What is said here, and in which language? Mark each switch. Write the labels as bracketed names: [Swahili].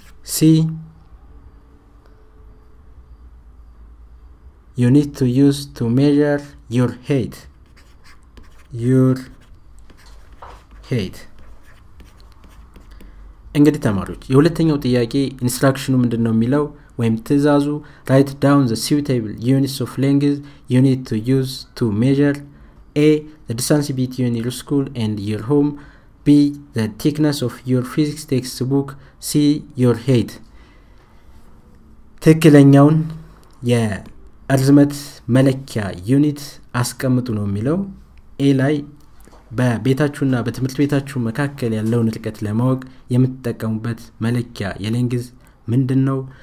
[English] C you need to use to measure your height [Amharic] እንግዲህ ተማሪዎች የሁለተኛው ጥያቄ ኢንስትራክሽኑ ምንድነው የሚለው ወይም ትዛዙ [English] write down the suitable units of length you need to use to measure A. The distance between your school and your home. B. The thickness of your physics textbook. C. Your height. [Amharic] ትክክለኛውን የእርዝመት መለኪያ ዩኒት አስቀምጡ ነው የሚለው። ኤ ላይ በቤታችሁና በትምህርት ቤታችሁ መካከል ያለውን ርቀት ለማወቅ የምትጠቀሙበት መለኪያ የሌንግዝ ምንድን ነው?